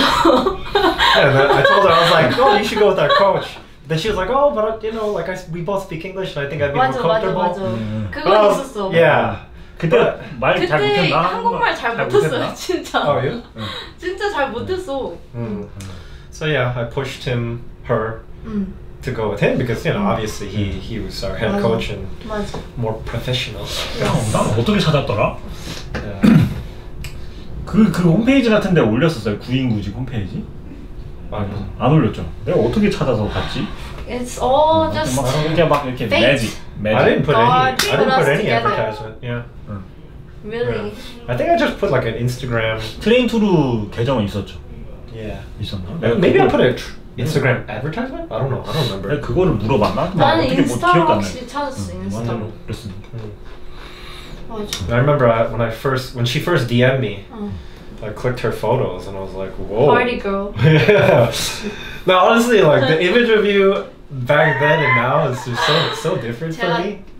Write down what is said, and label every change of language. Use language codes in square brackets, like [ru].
[en] I told her I was like, "Oh, you should go with our coach." Then she was like, "Oh, but you know, like we both speak English, and I think I'd be more comfortable." [ko] 맞아. 그거 있었어. [en] Yeah. [ko] 그때 말 잘 못했나? 그때 한국말 잘 못했어요, 진짜. [en] Oh, you? [ko] 진짜 잘 못했어. [en] So yeah, I pushed him, her, to go with him because you know, obviously he was our head coach and more professional. [ko] 야, 난 어떻게 찾았더라? 그 홈페이지 같은데 올렸었어요 구인구직 홈페이지? 안 올렸죠. 내가 어떻게 찾아서 봤지? [en] It's all just [ko] 이렇게 매직. [en] I didn't put any advertisement. Really? I think I just put like an Instagram. [ko] 트레인투루 계정은 있었죠. [en] Yeah. [ko] 있었나? [en] Maybe I put an Instagram advertisement. I don't know. I don't remember. [ko] 그거를 물어봤나? 나는 인스타로 확실히 찾았어. 인스타로 그랬으니까. [en] I remember when she first DM'd me, I clicked her photos and I was like, whoa. Party girl. Yeah. Now honestly, like the image of you back then and now is just so different for me.